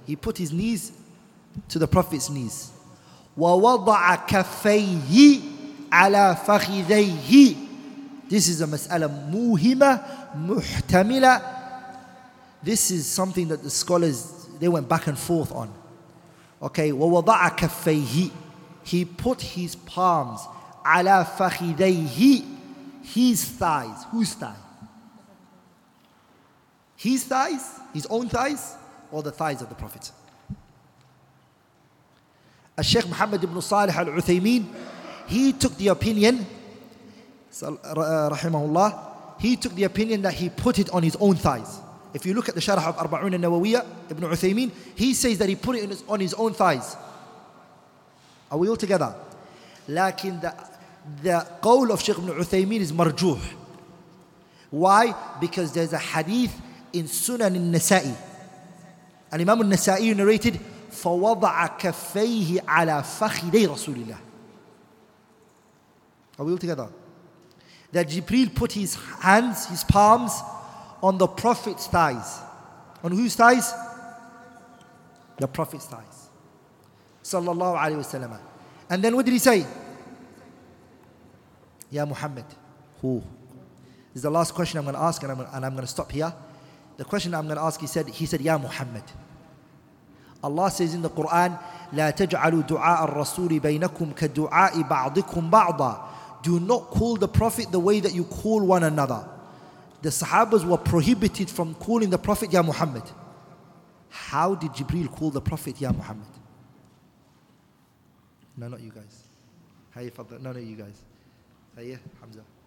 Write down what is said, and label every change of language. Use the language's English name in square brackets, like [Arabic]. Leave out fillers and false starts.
[English] He put his knees to the Prophet's knees. [Arabic] وَوَضَعَ كَفَيْهِ عَلَىٰ فَخِذَيْهِ. [English] This is a [Arabic] mas'ala muhima, muhtamila. [English] This is something that the scholars, they went back and forth on. [Arabic] Okay, وَوَضَعَ كَفَيْهِ. [English] He put his palms [Arabic] عَلَىٰ فَخِذَيْهِ. [English] His thighs. Whose thigh? His thighs? His own thighs? Or the thighs of the Prophet? Al-Shaykh Muhammad ibn Salih al-Uthaymeen, he took the opinion, rahimahullah, he took the opinion that he put it on his own thighs. If you look at the sharah of Araba'een Al Nawawi, Ibn Uthaymeen, he says that he put it on his own thighs. Are we all together? Lakin the qawl of Shaykh ibn Uthaymeen is marjuh. Why? Because there's a hadith in Sunan al-Nasa'i. And Imam al-Nasa'i narrated, [Arabic] فَوَضَعَ كَفَّيْهِ عَلَىٰ فَخِذَيْ رَسُولِ اللَّهِ. [English] Are we all together? That Jibreel put his hands, his palms, on the Prophet's thighs. On whose thighs? The Prophet's thighs. Sallallahu alayhi wa sallam. And then what did he say? Ya Muhammad. Who? This is the last question I'm going to ask, and I'm going to stop here. The question I'm going to ask, he said, Ya Muhammad. Allah says in the Quran, [Arabic] لَا تَجْعَلُوا دُعَاءَ الرَّسُولِ بَيْنَكُمْ كَدُعَاءِ بَعْضِكُمْ بَعْضًا. [English] Do not call the Prophet the way that you call one another. The Sahabas were prohibited from calling the Prophet, Ya Muhammad. How did Jibreel call the Prophet, Ya Muhammad? No, not you guys. Hey, Father. No, not you guys. Hey, Hamza.